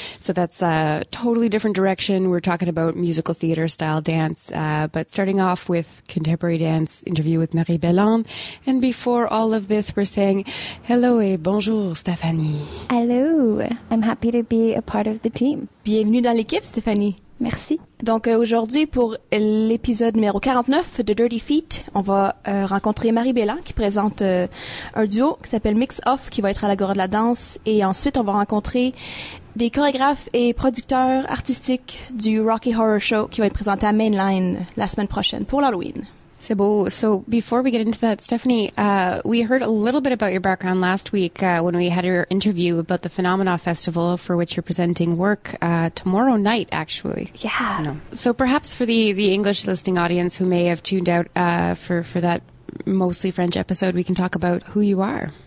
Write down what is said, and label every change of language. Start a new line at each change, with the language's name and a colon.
English: So that's a totally different direction. We're talking about musical theater style dance, but starting off with contemporary dance interview with Marie Belland. And before all of this, we're saying hello
French: et bonjour,
English: Stéphanie. Hello. I'm happy to be a part of the team.
French: Bienvenue dans l'équipe, Stéphanie. Merci. Donc aujourd'hui, pour l'épisode numéro 49 de Dirty Feet, on va rencontrer Marie Belland qui présente un duo qui s'appelle Mix Off qui va être à l'Agora de la danse. Et ensuite, on va rencontrer des chorégraphes et producteurs artistiques du Rocky Horror Show qui va être présenté à Mainline la semaine prochaine pour l'Halloween. C'est beau.
English: So before we get into that, Stephanie, we heard a little bit about your background last week when we had your interview about the Phenomena Festival for which you're presenting work tomorrow night, actually. Yeah. No. So perhaps for the English listening audience who may have tuned out for that mostly French episode, we can talk about who you are.